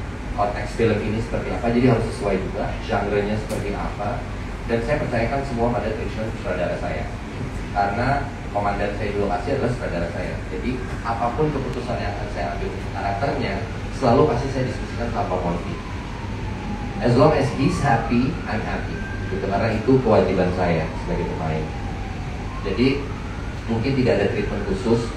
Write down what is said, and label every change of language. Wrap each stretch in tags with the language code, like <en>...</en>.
<id>Konteks film ini seperti apa, jadi harus sesuai juga genrenya seperti apa. Dan saya percayakan semua pada tujuan saudara saya, karena komandan saya di lokasi adalah saudara saya. Jadi apapun keputusan yang akan saya ambil karakternya, selalu pasti saya diskusikan tanpa Monty.</id> <en>As long as he's happy, I'm happy.</en> <id>Gitu, karena itu kewajiban saya sebagai pemain. Jadi mungkin tidak ada treatment khusus.</id>